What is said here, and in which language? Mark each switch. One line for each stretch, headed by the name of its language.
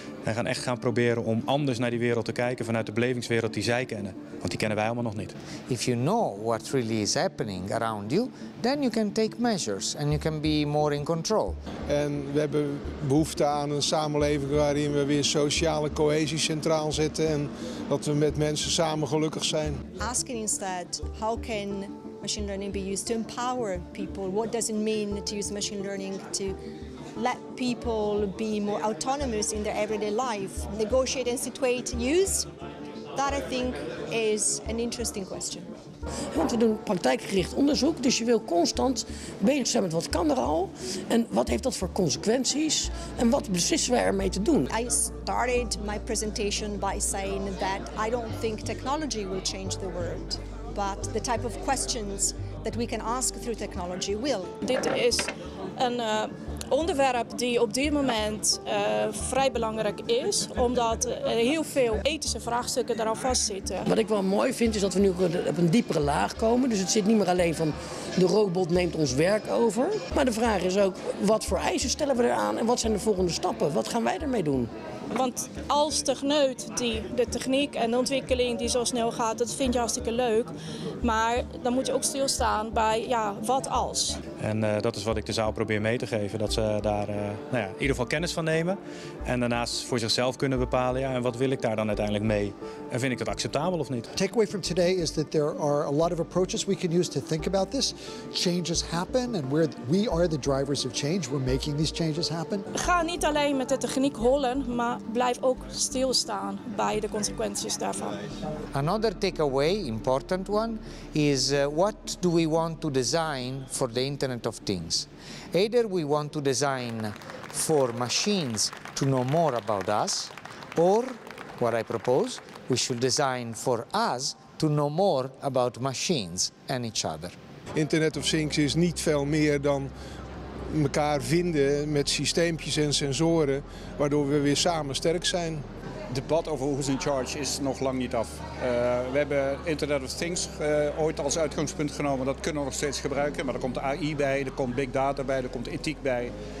Dutch: En gaan echt gaan proberen om anders naar die wereld te kijken vanuit de belevingswereld die zij kennen. Want die kennen wij allemaal nog niet.
English: If you know what really is happening around you, then you can take measures and you can be more in control.
Dutch: En we hebben behoefte aan een samenleving waarin we weer sociale cohesie centraal zetten. En dat we met mensen samen gelukkig zijn.
English: Asking instead, how can machine learning be used to empower people? What does it mean to use machine learning to let people be more autonomous in their everyday life? Negotiate and situate use? That I think is an interesting question.
Dutch: Want we doen praktijkgericht onderzoek, dus je wil constant bezig zijn met wat kan er al en wat heeft dat voor consequenties en wat beslissen wij ermee te doen.
English: I started my presentation by saying that I don't think technology will change the world, but the type of questions that we can ask through technology will.
Dutch: Dit is een onderwerp die op dit moment vrij belangrijk is, omdat er heel veel ethische vraagstukken daar al vastzitten. Wat ik wel mooi vind is dat we nu op een diepere laag komen. Dus het zit niet meer alleen van de robot neemt ons werk over. Maar de vraag is ook, wat voor eisen stellen we eraan en wat zijn de volgende stappen? Wat gaan wij ermee doen? Want als techneut die de techniek en de ontwikkeling die zo snel gaat, dat vind je hartstikke leuk. Maar dan moet je ook stilstaan bij, ja, wat als? En dat is wat ik de zaal probeer mee te geven. Dat ze daar nou ja, in ieder geval kennis van nemen. En daarnaast voor zichzelf kunnen bepalen, ja, en wat wil ik daar dan uiteindelijk mee? En vind ik dat acceptabel of niet?
English: Takeaway from today is that there are a lot of approaches we can use to think about this. Changes happen and we are the drivers of change. We're making these changes happen.
Dutch: Ga niet alleen met de techniek hollen, maar blijf ook stilstaan bij de consequenties daarvan.
English: Another takeaway, important one, is what do we want to design for the Internet of Things? Either we want to design for machines to know more about us, or what I propose, we should design for us to know more about machines and each other.
Dutch: Internet of Things is niet veel meer dan mekaar vinden met systeempjes en sensoren, waardoor we weer samen sterk zijn. Het debat over who's in charge is nog lang niet af. We hebben Internet of Things ooit als uitgangspunt genomen. Dat kunnen we nog steeds gebruiken, maar er komt AI bij, er komt big data bij, er komt ethiek bij.